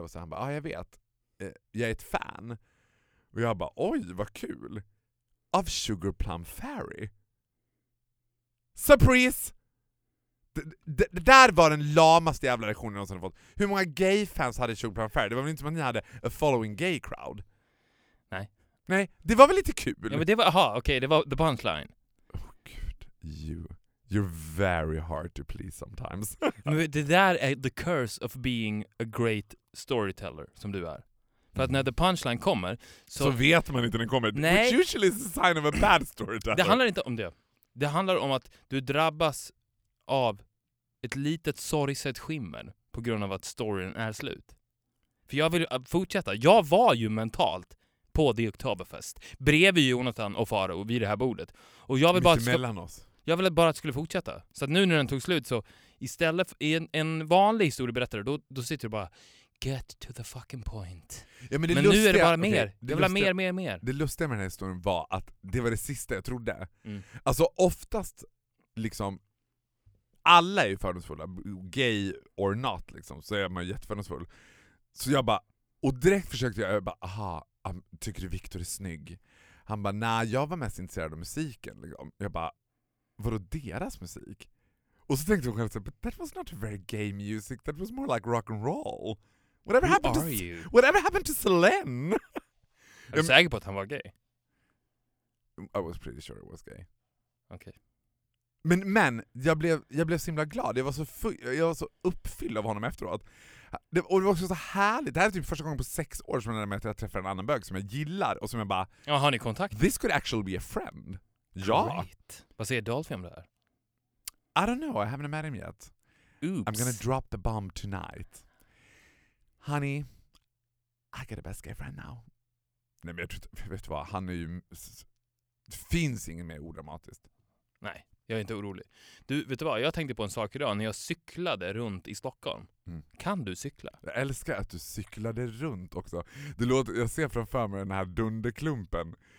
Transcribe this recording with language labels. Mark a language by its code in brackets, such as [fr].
[sv] Och så han bara, ja jag vet, jag är ett fan. Och jag bara, oj vad kul, av Sugar Plum Fairy. Surprise! Det där var den lamaste jävla reaktionen jag någonsin fått. Hur många gay-fans hade Sugar Plum Fairy? Det var väl inte som att ni hade [en] a following gay crowd? [sv] Nej. Nej, det var väl lite kul? Ja, men det var, aha, okej, det var the punchline. [en] Oh gud, you're very hard to please sometimes. [sv] Men det där är [en] the curse of being a great storyteller, [sv] som du är. För att när the punchline kommer, så vet man inte när den kommer. Nej. [en] Which usually is a sign of a bad storyteller. [sv] Det handlar inte om det. Det handlar om att du drabbas av ett litet sorgset skimmer på grund av att storyn är slut. För jag vill fortsätta. Jag var ju mentalt på det Oktoberfest bredvid Jonathan och Farao vid det här bordet. Och jag vill bara mellan oss. Jag ville bara att det skulle fortsätta. Så att nu när den tog slut, så istället för en vanlig historieberättare, då sitter du bara, [en] get to the fucking point. [sv] Ja, men lustiga, nu är det bara mer. Okay, det vill lustiga, mer. Det lustiga med den här historien var att det var det sista jag trodde. Mm. Alltså oftast liksom, alla är ju fördomsfulla, [en] gay or not, [sv] liksom, så är man ju jättefördomsfull. Så jag bara, och direkt försökte jag bara, aha, tycker du Victor är snygg? Han bara, nej, jag var mest intresserad av musiken. Liksom. Jag bara, vadå deras musik? Och så tänkte jag själv, [en] but that was not very gay music, that was more like rock and roll. Whatever happened to you? Whatever happened to Celine? [sv] Är du säker på att han var gay? [en] I was pretty sure it was gay. Okay. [sv] Men jag blev så himla glad. Jag var så uppfylld av honom efteråt. Och det var också så härligt. Det här är typ första gången på 6 år som jag träffar en annan bög som jag gillar. Och som jag bara... Ja, har ni kontakt? [en] This could actually be a friend. [sv] Ja. [en] Great. [sv] Vad säger Dolphy om det här? [en] I don't know. I haven't met him yet. Oops. I'm gonna drop the bomb tonight. Honey, I got a best gay friend now. [sv] Nej, men vet du vad? Han är ju... Det finns ingen mer odramatiskt. Nej, jag är inte orolig. Du, vet du vad? Jag tänkte på en sak idag. När jag cyklade runt i Stockholm. Mm. Kan du cykla? Jag älskar att du cyklade runt också. Det låter, jag ser framför mig den här dunderklumpen.